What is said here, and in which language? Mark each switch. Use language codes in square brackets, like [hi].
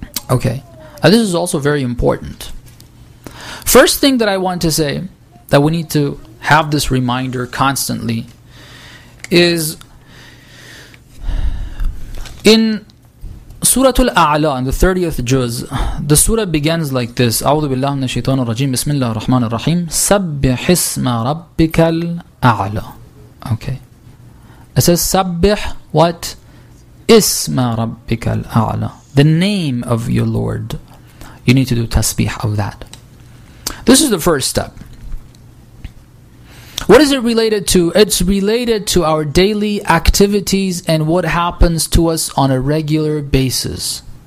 [en] Okay. This is also very important. First thing that I want to say, that we need to have this reminder constantly, is in Surah Al-A'la, in the 30th juz, the surah begins like this. [ar] أعوذ بالله من الشيطان الرجيم بسم الله الرحمن الرحيم سبح اسم ربك الأعلى. [en] Okay. It says سبح what? [ar] اسم ربك الأعلى. [en] The name of your Lord. You need to do tasbih of that. This is the first step. What is it related to? It's related to our daily activities and what happens to us on a regular basis.